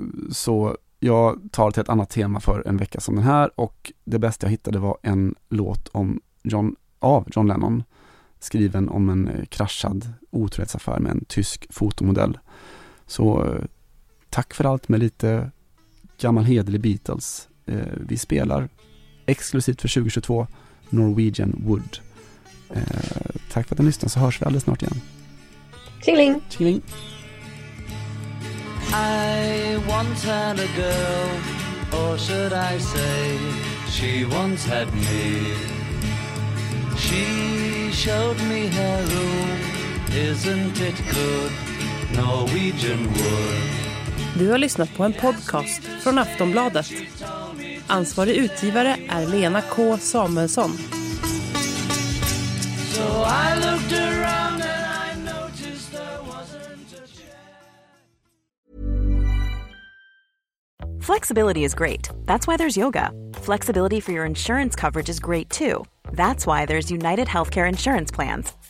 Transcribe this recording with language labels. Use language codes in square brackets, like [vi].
[sv] Så jag tar till ett annat tema för en vecka som den här, och det bästa jag hittade var en låt om John Lennon, skriven om en kraschad otrohetsaffär med en tysk fotomodell. Så tack för allt med lite gammal hederlig Beatles. Vi spelar exklusivt för 2022 Norwegian Wood. Tack för att ni lyssnade, så hörs vi alldeles snart igen. Tjingling. Tjingling. [en] I once had a girl, or should I say she once had me. She showed me her room, isn't it good, Norwegian Wood. [sv] Du har lyssnat på en podcast från Aftonbladet. Ansvarig utgivare är Lena K. Samuelsson. [en] So I looked around and I noticed there wasn't a chair. Flexibility is great. That's why there's yoga. Flexibility for your insurance coverage is great too. That's why there's United Healthcare Insurance Plans.